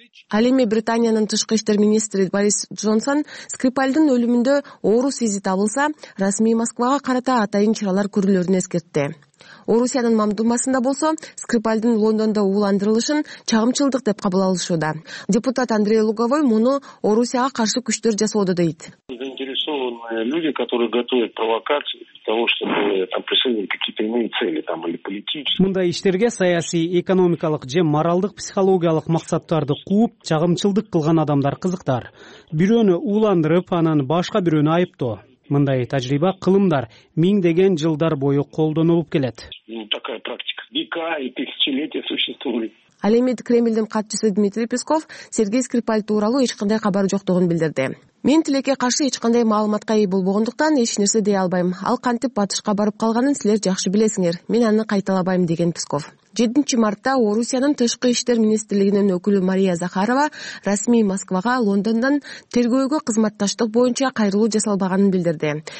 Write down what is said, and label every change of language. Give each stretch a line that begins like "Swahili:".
Kyrgyz: Ал эми Британиянын тышкы иштер министри Борис Джонсон Скрипалдын өлүмүндө оорус изи табылса, расмий Москвага карата атайын чаралар көрүлөрүн эскертти. Орусиянын мамдумасында болсо, Скрипалдын Лондондо уландырылышын чагымчылдык деп кабыл алышууда. Депутат Андрей Луговой муну Орусияга каршы күчтөр жасоодо дейт.
Russian: Люди, которые готовят провокации для того, чтобы там преследовать какие-то иные цели там или политические.
Kyrgyz: Мындай иштерге саясий, экономикалык же моралдык психологиялык максаттарды кууп, чагымчылдык кылган адамдар кызыктар. Бирөөнү уландырып, анан башка бирөөнү айыптоо. Мындай тажрыйба кылымдар миңдеген жылдар бою колдонулуп келет.
Russian: Такая практика века и тысячелетия существует.
Kyrgyz: Ал эми Кремлдин катчысы Дмитрий Песков Сергей Скрипаль тууралуу эч кандай кабар жоктугун билдирди. Мен тилекке каршы эч кандай маалыматка ээ болбогондуктан эч нерсе дей албайм. Ал кантип батышка барып калганын силер жакшы билесиңер. Мен аны кайталабайм, деген Песков. 7 мартта Орусиянын тышкы иштер министрлигинин өкүлү Мария Захарова расмий Москвага Лондондон тергөөгө кызматташтык боюнча кайрылуу жасалбаганын билдирди.